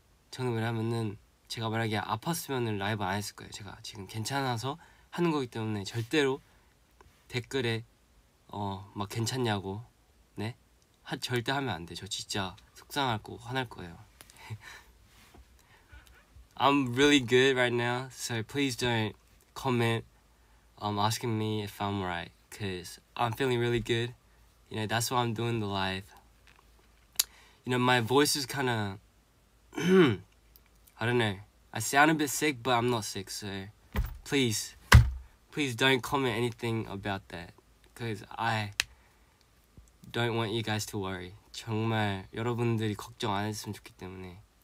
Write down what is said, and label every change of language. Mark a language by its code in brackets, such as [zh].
[ko] 저는 왜냐면은 제가 만약에 아팠으면은 라이브 안 했을 거예요. 제가 지금 괜찮아서 하는 거기 때문에 절대로 댓글에 막 괜찮냐고 네 절대 하면 안 돼. 저 진짜 속상할 거 화날 거예요. [en] I'm really good right now, so please don't comment asking me if I'm right, because I'm feeling really good. You know, that's why I'm doing the live. You know, my voice is kind of, I don't know, I sound a bit sick, but I'm not sick, so please don't comment anything about that, because I don't want you guys to worry. [ko] 정말 여러분들이 걱정 안 했으면 좋기 때문에.